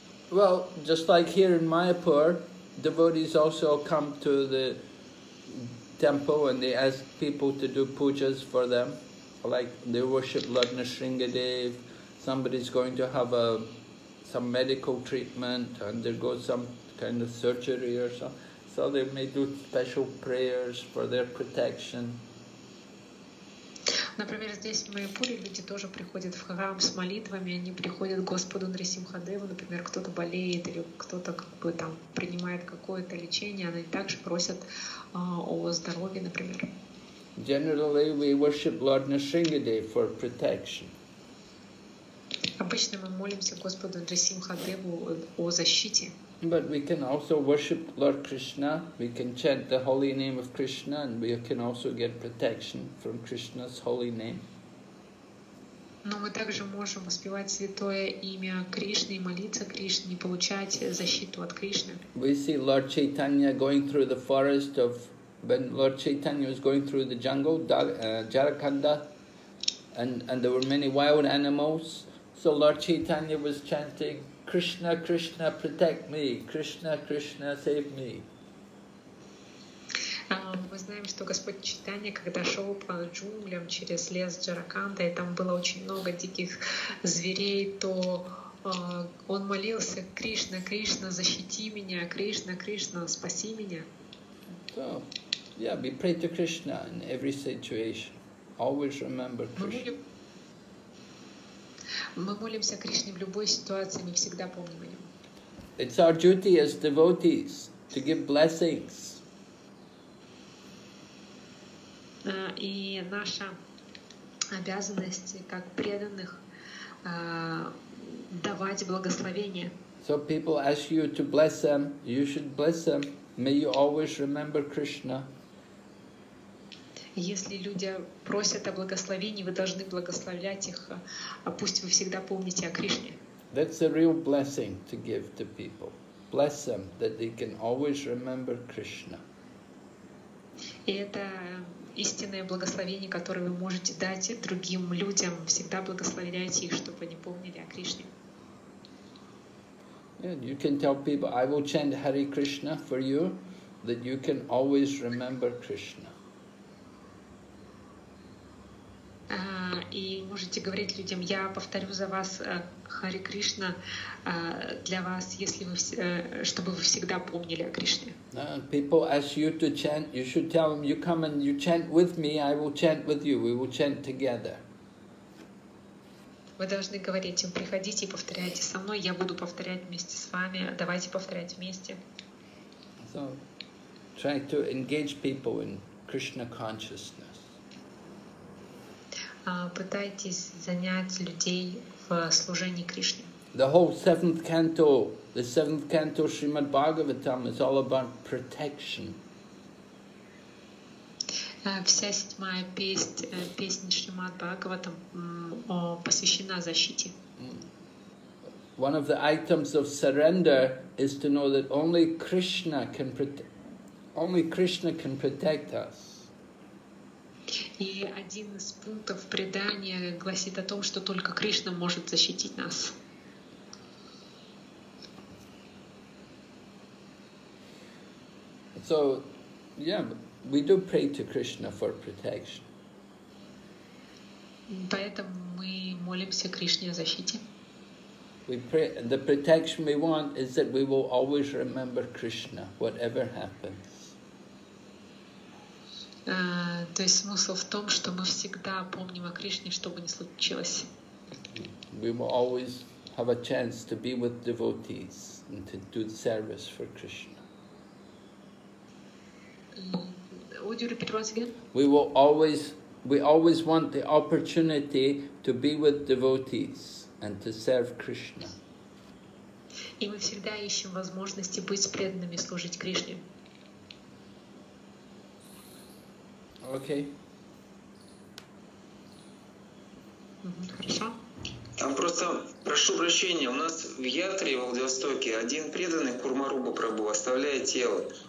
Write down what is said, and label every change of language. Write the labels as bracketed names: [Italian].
[English] Well, just like here in Mayapur, devotees also come to the temple and they ask people to do pujas for them. Like they worship Lord Nrisingadev, somebody's going to have some medical treatment, undergo some kind of surgery or so. So they may do special prayers for their protection. [Russian] Например, здесь в Майяпуре люди тоже приходят в храм с молитвами, они приходят к Господу Нрисимхадеву, например, кто-то болеет или кто-то как бы там принимает какое-то лечение, они также просят о здоровье, например. [English] Generally, we worship Lord Nrisingadev for protection. [Russian] Обычно мы молимся Господу Нрисимхадеву о защите. [English] But we can also worship Lord Krishna, we can chant the holy name of Krishna, and we can also get protection from Krishna's holy name. [Russian] Но мы также можем воспевать святое имя Кришны, молиться Кришне, получать защиту от Кришны. [English] We see Lord Chaitanya going through the forest of, when Lord Chaitanya was going through the jungle, Jarakanda, and there were many wild animals, so Lord Chaitanya was chanting, Krishna, Krishna, protect me. Krishna, Krishna, save me. [Russian] Мы знаем, что Господь Чайтанья, когда шел по джунглям через лес Джараканда, и там было очень много диких зверей, то он молился, Кришна, Кришна, защити меня, Кришна, Кришна, спаси меня. [English] So, yeah, we pray to Krishna in every situation. Always remember Krishna. [Russian] Мы молимся Кришне в любой ситуации, мы всегда помним о нем. [English] It's our duty as devotees to give blessings. [Russian] И наша обязанность как преданных давать благословения. [English] So people ask you to bless them, you should bless them. May you always remember Krishna. [Russian] Если люди просят о благословении, вы должны благословлять их, а пусть вы всегда помните о Кришне. [English] That's a real blessing to give to people. Bless them that they can always remember Krishna. [Russian] И это истинное благословение, которое вы можете дать другим людям. Всегда благословляйте их, чтобы они помнили о Кришне. [English] And you can tell people, I will chant Hare Krishna for you, that you can always remember Krishna. [Russian] И можете говорить людям, я повторю за вас Хари Кришна для вас, если вы чтобы вы всегда помнили о Кришне. [English] People ask you to chant, you should tell them, you come and you chant with me, I will chant with you, we will chant together. [Russian] Вы должны говорить им, приходите и повторяйте со мной, я буду повторять вместе с вами, давайте повторять вместе. [English] So, try to engage people in Krishna consciousness. [Russian] Пытайтесь занять людей в служении Кришне. [English] The whole seventh canto, the seventh canto Srimad Bhagavatam is all about protection. [Russian] Вся седьмая песня Шримад Бхагаватам посвящена защите. [English] One of the items of surrender is to know that only Krishna can protect us. [Russian] И один из пунктов предания гласит о том, что только Кришна может защитить нас. [English] So, yeah, we do pray to Krishna for protection. [Russian] Поэтому мы молимся Кришне о защите. [English] We pray, the protection we want is that we will always remember Krishna, whatever happens. [Russian] То есть смысл в том, что мы всегда помним о Кришне, что бы ни случилось. [English] We will always have a chance to be with devotees and to do service for Krishna. Would you repeat once again? We always want the opportunity to be with devotees and to serve Krishna. И мы всегда ищем возможности быть преданными, служить Кришне. Okay. [Russian] Хорошо. Там просто, прошу прощения, у нас в Ятре, в Владивостоке, один преданный Курмаруба Прабу оставляет тело.